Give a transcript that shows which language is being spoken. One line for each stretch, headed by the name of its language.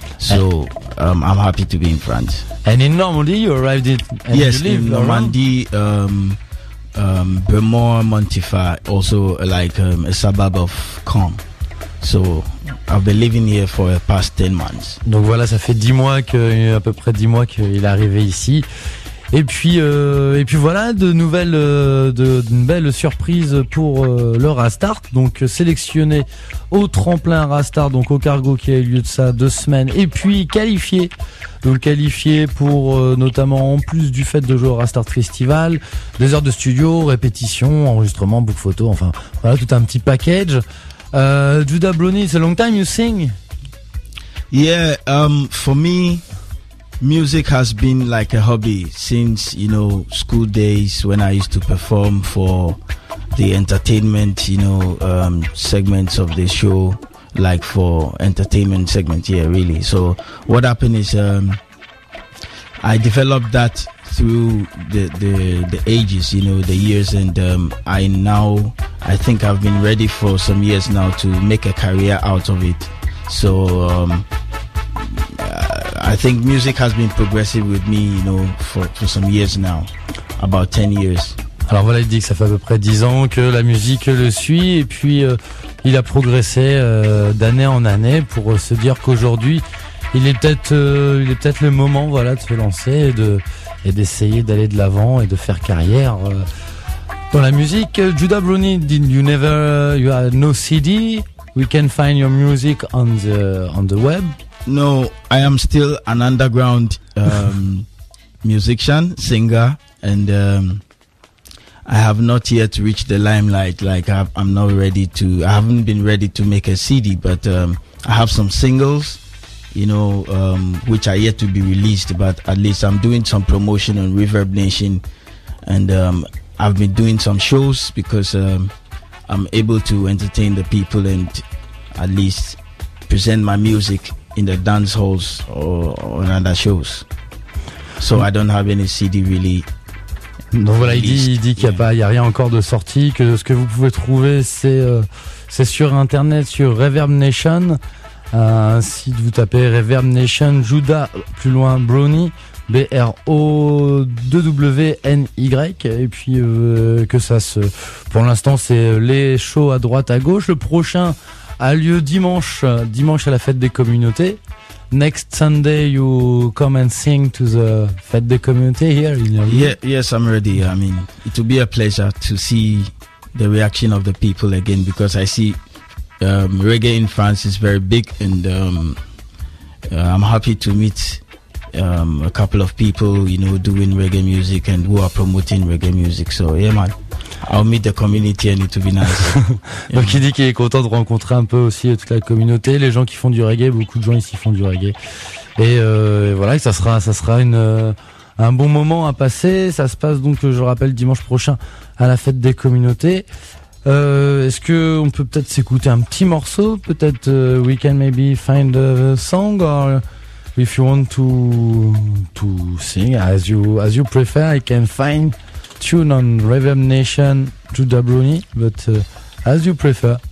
English: So I'm happy to be in France. And in Normandy you arrived in? Yes, you live in Normandy, Beaumont, Montifat, also like a suburb of Caen. So I've been living here for the past 10 months.
French: Donc voilà, ça fait 10 mois que à peu près 10 mois qu'il est arrivé ici. Et puis voilà, d'une belle surprise pour le Rastart, donc sélectionné au tremplin Rastart, donc au cargo qui a eu lieu de ça 2 semaines, et puis qualifié. Donc qualifié pour notamment, en plus du fait de jouer au Rastart Festival, des heures de studio, répétition, enregistrement, book photo, enfin voilà, tout un petit package.
English: Judah Brony, it's a long time you sing. Yeah, for me, music has been like a hobby since, you know, school days when I used to perform for the entertainment, you know, segments of the show, like for entertainment segments. Yeah, really. So what happened is I developed that through the ages, you know, the years, and I think I've been ready for some years now to make a career out of it. So I think music has been progressive with me, you know, for some years now, about 10 years.
French: Alors voilà, il dit que ça fait à peu près 10 ans que la musique le suit, et puis il a progressé d'année en année pour se dire qu'aujourd'hui, il est peut-être le moment, voilà, de se lancer et d'essayer d'aller de l'avant et de faire carrière dans la musique.
English: Judah Bruni, did you never, you have no CD? We can find your music on the web. No, I am still an underground musician, singer, and I have not yet reached the limelight. Like I haven't been ready to make a CD, but I have some singles, you know, which are yet to be released. But at least I'm doing some promotion on Reverb Nation, and I've been doing some shows because I'm able to entertain the people and at least present my music in the dance halls or on other shows. So I don't have any CD really.
French: Donc voilà, il dit qu'il n'y a rien encore de sortie, que ce que vous pouvez trouver, c'est sur Internet, sur Reverb Nation. Si vous tapez Reverb Nation, Judah, plus loin, Brony, B-R-O-2-W-N-Y, et puis que ça se... Pour l'instant, c'est les shows à droite, à gauche. Le prochain a lieu dimanche à la Fête des Communautés.
English: Next Sunday, you come and sing to the Fête des Communautés here in your... Yes, I'm ready. I mean, it will be a pleasure to see the reaction of the people again, because I see reggae in France is very big, and I'm happy to meet a couple of people, you know, doing reggae music and who are promoting reggae music. So yeah, man, I'll meet the community and it will be nice.
French: Donc il dit qu'il est content de rencontrer un peu aussi toute la communauté, les gens qui font du reggae. Beaucoup de gens ici font du reggae, et voilà, ça sera un bon moment à passer. Ça se passe donc, je rappelle, dimanche prochain à la Fête des Communautés. Est-ce que on peut peut-être s'écouter un petit morceau? Peut-être
English: we can maybe find a song, or if you want to sing as you prefer, I can find tune on Reverb Nation to Dabroni, but as you prefer.